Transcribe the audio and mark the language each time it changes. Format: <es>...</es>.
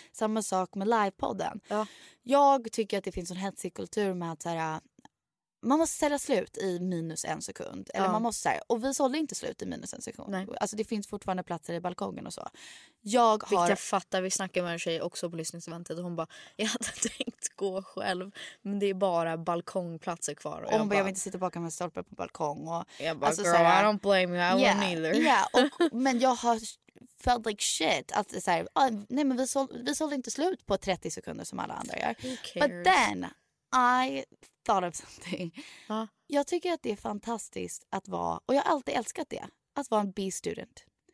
<sv>Samma sak med livepodden. Jag tycker att det finns en hetsig kultur med att så här, man måste sälja slut i minus en sekund. Eller man måste, så här, och vi sålde inte slut i minus en sekund. Nej. Alltså det finns fortfarande platser i balkongen och så. Jag har... Vilket jag fattar, vi snackade med en tjej också på lyssningseventet. Hon bara, jag hade tänkt gå själv. Men det är bara balkongplatser kvar. Och hon bara, jag vill inte sitta bakom en stolpe på balkong. Och, jag bara, alltså, girl, så här,</sv> <en>I don't blame you, I won't either. Yeah,</en> <sv>men jag har...</sv> <en>felt like shit</en> <sv>att så här, nej men vi sålde inte slut på 30 sekunder som alla andra gör.</sv> <en>But then I thought of something.</en> <sv>Jag tycker att det är fantastiskt att vara, och jag har alltid älskat det, att vara en B student.</sv>